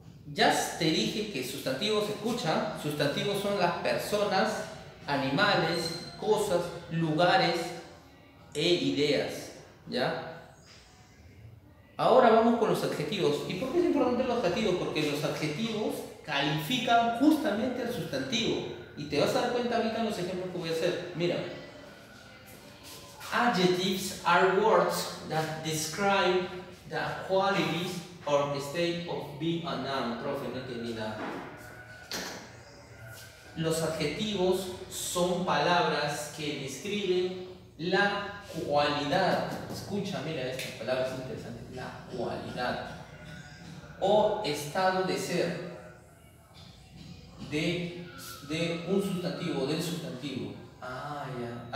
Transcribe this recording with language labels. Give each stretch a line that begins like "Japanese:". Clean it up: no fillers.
Spanish: Ya te dije que sustantivos, escucha, sustantivos son las personas, animales, cosas, lugares e ideas, ¿ya? Ahora vamos con los adjetivos. ¿Y por qué es importante los adjetivos? Porque los adjetivos califican justamente al sustantivo. Y te vas a dar cuenta ahorita en los ejemplos que voy a hacer. Mira.
English: Adjectives are words that describe the qualities or state of being a noun.
Spanish: Profe, no entendí nada. Los adjetivos son palabras que describen la cualidad. Escucha, mira, esta palabra es interesante. La cualidad. O estado de ser de un sustantivo, del sustantivo. Ah, ya.